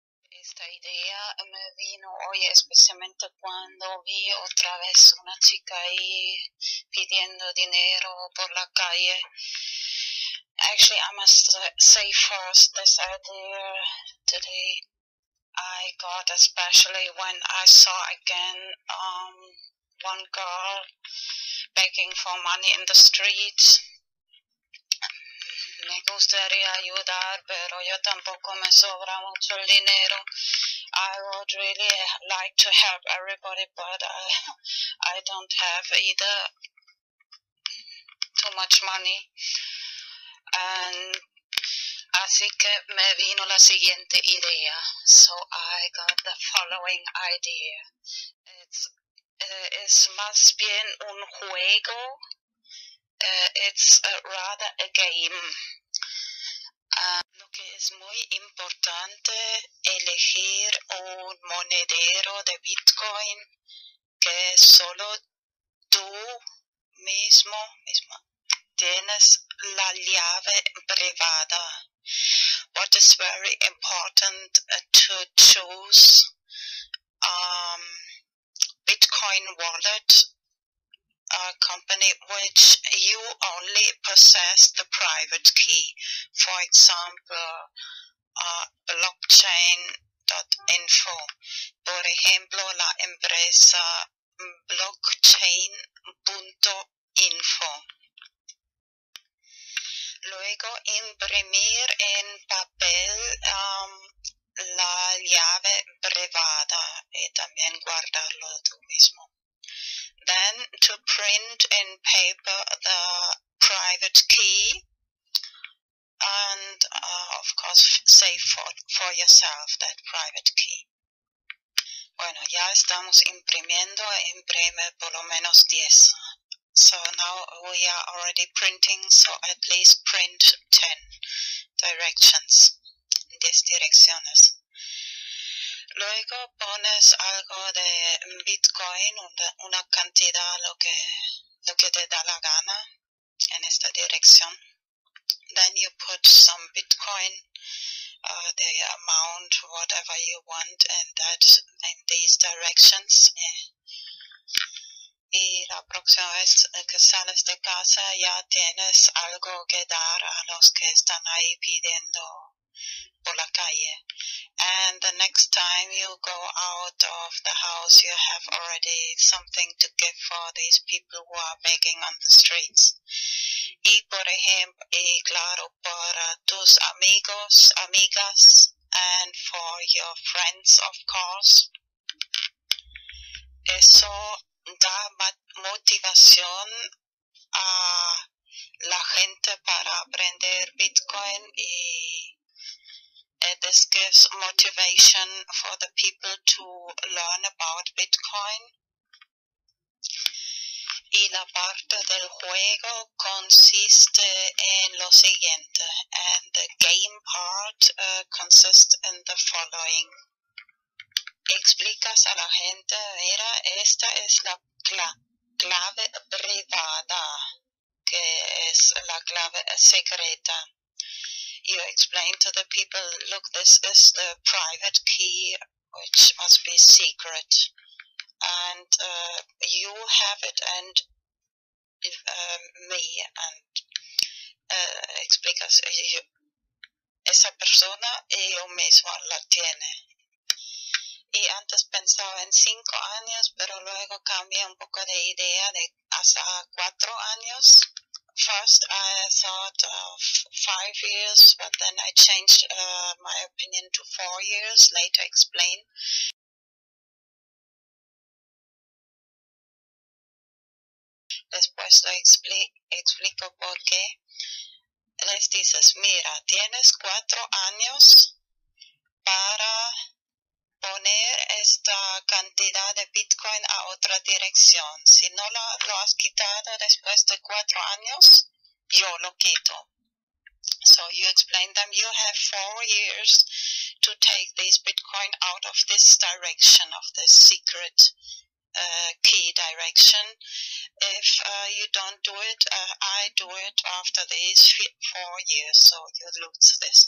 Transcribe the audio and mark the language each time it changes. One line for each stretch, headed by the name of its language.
Spanish: Esta idea me vino hoy especialmente cuando vi otra vez una chica ahí pidiendo dinero por la calle.
English: Actually, I must say first this idea today I got, especially when I saw again one girl begging for money in the streets.
Spanish: Me gustaría ayudar, pero yo tampoco me sobra mucho el dinero.
English: I would really like to help everybody, but I don't have either too much money. And
Spanish: así que me vino la siguiente idea.
English: So I got the following idea. It's
Spanish: más bien un juego.
English: It's rather a game.
Spanish: Lo que es muy importante elegir un monedero de Bitcoin que solo tú mismo tienes la llave privada.
English: What is very important to choose Bitcoin wallet, a company which you only possess the private key. For example, blockchain.info.
Spanish: Por ejemplo, la empresa blockchain.info. Luego, imprimir en papel la llave privada y también guardarlo tú mismo.
English: Then to print in paper the private key and of course save for yourself that private key.
Spanish: Bueno, ya estamos imprimiendo, imprime por lo menos 10.
English: So now we are already printing, so at least print 10 directions,
Spanish: 10 direcciones. Luego pones algo de Bitcoin, una cantidad, lo que te da la gana en esta dirección.
English: Then you put some Bitcoin, the amount, whatever you want, and that in these directions.
Spanish: Y la próxima vez que sales de casa ya tienes algo que dar a los que están ahí pidiendo por la calle.
English: And the next time you go out of the house, you have already something to give for these people who are begging on the streets.
Spanish: Y por ejemplo, y claro, para tus amigos, amigas,
English: and for your friends, of course.
Spanish: Eso da motivación a la gente para aprender Bitcoin y
English: this gives motivation for the people to learn about Bitcoin.
Spanish: Y la parte del juego consiste en lo siguiente.
English: And the game part consists in the following.
Spanish: Explicas a la gente, mira, esta es la clave privada, que es la clave secreta.
English: You explain to the people, look, this is the private key, which must be secret. And you have it, and me, and
Spanish: explicas, yo, esa persona y yo mismo la tiene. Y antes pensaba en 5 años, pero luego cambié un poco de idea de hasta 4 años.
English: First I thought of 5 years, but then I changed my opinion to 4 years, later explained.
Spanish: Después lo explico por qué. Les dices, mira, tienes 4 años para poner esta cantidad de Bitcoin a otra dirección. Si no lo has quitado después de 4 años, yo lo quito.
English: So you explain them, you have 4 years to take this Bitcoin out of this direction, of this secret key direction. If you don't do it, I do it after these 4 years, so you lose this.